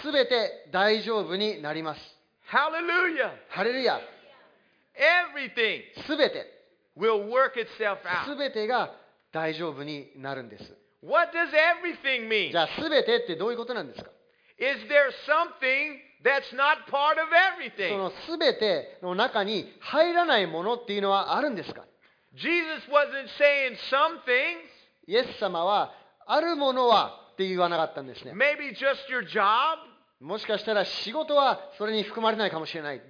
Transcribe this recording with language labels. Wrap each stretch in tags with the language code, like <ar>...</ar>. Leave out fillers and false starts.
<ja>すべて大丈夫になります。ハレルヤ、ハレルヤ。</ja> <en>Everything</en> <ja>すべて</ja> <en>will work itself out.</en> <ja>すべてが大丈夫になるんです。</ja> <en>What does everything mean?</en> <ja>じゃあすべてってどういうことなんですか。</ja> <en>Is there something that's not part of everything?</en> <ja>そのすべての中に入らないものっていうのはあるんですか。</ja> <en>Jesus wasn't saying some things.</en> <ja>イエス様はあるものはって言わなかったんですね。</ja> <en>Maybe just your job,</en> <ja>もしかしたら仕事はそれに含まれないかもしれない。</ja>